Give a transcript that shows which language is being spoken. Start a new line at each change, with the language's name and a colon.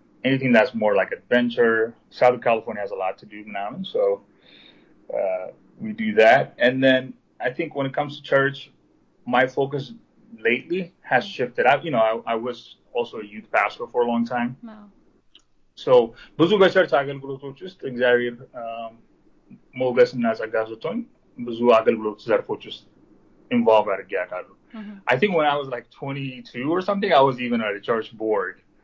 English: Anything that's more like adventure. Southern California has a lot to do now, so we do that. And then I think when it comes to church, my focus lately has shifted. I was also a youth pastor for a long time. Wow.
Amharic: So ብዙ በቸርች አገልግሎቶች ውስጥ እግዚአብሔር ሞገስና ጸጋ ሰጥቶኝ ብዙ አገልግሎት ዘርፎች ውስጥ involved አድርጌያለሁ.
English: I think when I was like 22 or something, I was even at a church board.